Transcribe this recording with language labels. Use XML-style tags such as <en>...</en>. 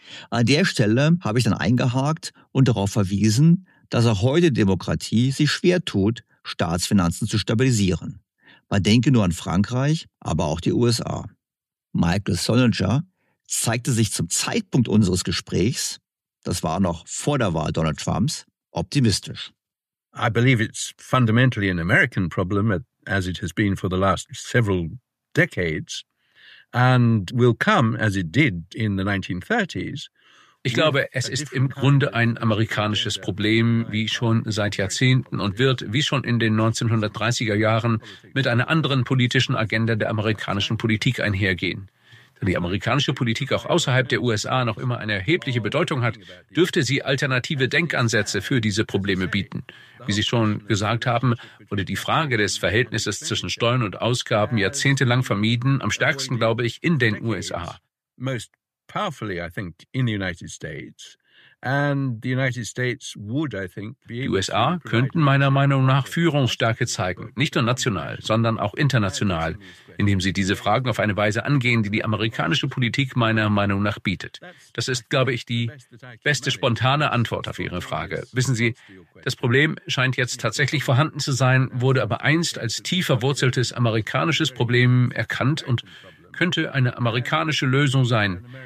<de>An der Stelle habe ich dann eingehakt und darauf verwiesen, dass auch heute Demokratie sich schwer tut, Staatsfinanzen zu stabilisieren. Man denke nur an Frankreich, aber auch die USA. Michael Sonniger zeigte sich zum Zeitpunkt unseres Gesprächs, das war noch vor der Wahl Donald Trumps, optimistisch.</de> <en>I believe it's fundamentally an American problem, as it has been for the last several decades, and will come as it did in the 1930s.</en> <de>Ich glaube, es ist im Grunde ein amerikanisches Problem, wie schon seit Jahrzehnten, und wird, wie schon in den 1930er Jahren, mit einer anderen politischen Agenda der amerikanischen Politik einhergehen. Da die amerikanische Politik auch außerhalb der USA noch immer eine erhebliche Bedeutung hat, dürfte sie alternative Denkansätze für diese Probleme bieten. Wie Sie schon gesagt haben, wurde die Frage des Verhältnisses zwischen Steuern und Ausgaben jahrzehntelang vermieden, am stärksten, glaube ich, in den USA.</de> <en>Most powerfully, I think, in the United States. And the United States would, I think, be.</en> <de>Die USA könnten meiner Meinung nach Führungsstärke zeigen, nicht nur national, sondern auch international, indem sie diese Fragen auf eine Weise angehen, die amerikanische Politik meiner Meinung nach bietet. Das ist, glaube ich, die beste spontane Antwort auf Ihre Frage. Wissen Sie, das Problem scheint jetzt tatsächlich vorhanden zu sein, wurde aber einst als tief verwurzeltes amerikanisches Problem erkannt und könnte eine amerikanische Lösung sein.</de>